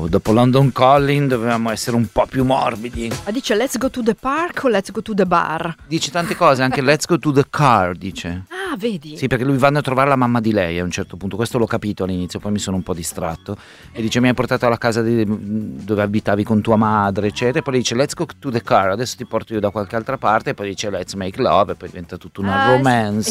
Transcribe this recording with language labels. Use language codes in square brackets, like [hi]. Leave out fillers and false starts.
[it] London Calling, dovevamo essere un po' più morbidi. Ma dice [en] let's go to the park [it] o [en] let's go to the bar? [it] Dice tante cose, anche [en] let's go to the car, [it] dice. Ah, vedi? Sì, perché lui vanno a trovare la mamma di lei a un certo punto, questo l'ho capito all'inizio, poi mi sono un po' distratto. E dice mi hai portato alla casa di, dove abitavi con tua madre, eccetera. E poi dice [en] let's go to the car, [it] adesso ti porto io da qualche altra parte. E poi dice [en] let's make love [it] e poi diventa tutto una romance.